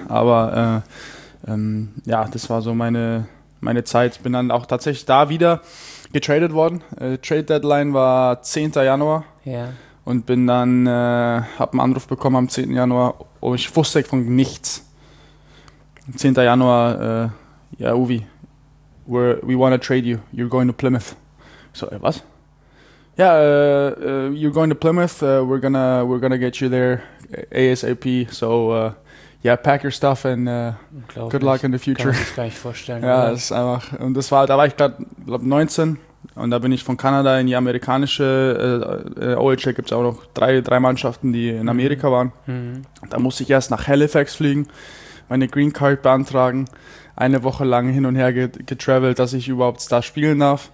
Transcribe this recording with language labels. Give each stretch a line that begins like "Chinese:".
German: Aber ja, das war so meine Zeit. Bin dann auch tatsächlich da wieder getradet worden. Trade Deadline war 10. Januar. Ja. Und bin dann, habe einen Anruf bekommen am 10. Januar. Und ich wusste von nichts. Am 10.
English: Januar, Uwe, we want to trade you. You're going to Plymouth. So, was? Yeah, you're going to Plymouth. We're gonna get you there ASAP. So, yeah, pack your stuff and good luck in the future.
German: Kann ich mir gar nicht vorstellen. Ja, das ist einfach. Und das war, da war ich glaube 19 und da bin ich von Kanada in die amerikanische OHL. Gibt es auch noch drei Mannschaften, die in Amerika waren. Da musste ich erst nach Halifax fliegen, meine Green Card beantragen, eine Woche lang hin und her getravelt, dass ich überhaupt da spielen darf.